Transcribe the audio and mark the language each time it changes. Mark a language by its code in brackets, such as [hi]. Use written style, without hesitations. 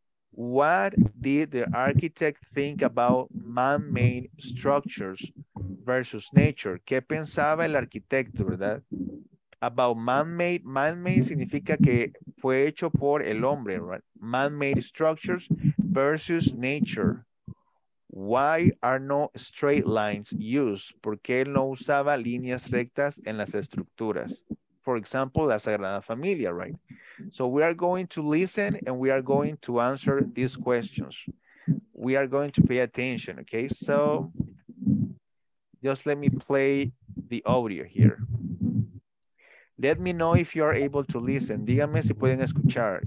[en] What did the architect think about man-made structures versus nature? [es] ¿Qué pensaba el arquitecto, verdad? [en] About man-made. Man-made [es] significa que fue hecho por el hombre, [en] right? Man-made structures versus nature. Why are no straight lines used? [es] ¿Por qué él no usaba líneas rectas en las estructuras? [en] For example, La Sagrada Familia, right? So we are going to listen and we are going to answer these questions. We are going to pay attention, okay? So just let me play the audio here. Let me know if you are able to listen. [es] Dígame si pueden escuchar.